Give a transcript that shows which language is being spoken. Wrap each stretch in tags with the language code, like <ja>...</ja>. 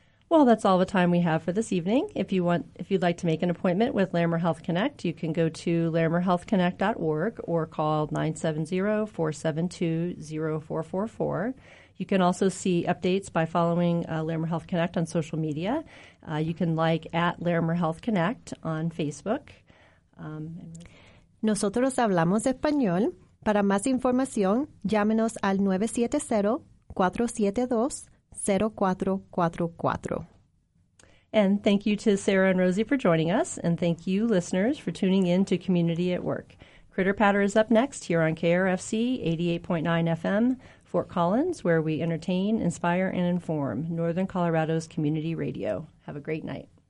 <en>Well, that's all the time we have for this evening. If you'd like to make an appointment with Larimer Health Connect, you can go to larimerhealthconnect.org or call 970-472-0444. You can also see updates by following Larimer Health Connect on social media. You can like at Larimer Health Connect on Facebook.</en> <es>Nosotros hablamos español. Para más información, llámenos al 970-472-0444.</es> <en>And thank you to Sarah and Rosie for joining us, and thank you, listeners, for tuning in to Community at Work. Critter Patter is up next here on KRFC 88.9 FM, Fort Collins, where we entertain, inspire, and inform Northern Colorado's community radio. Have a great night.</en>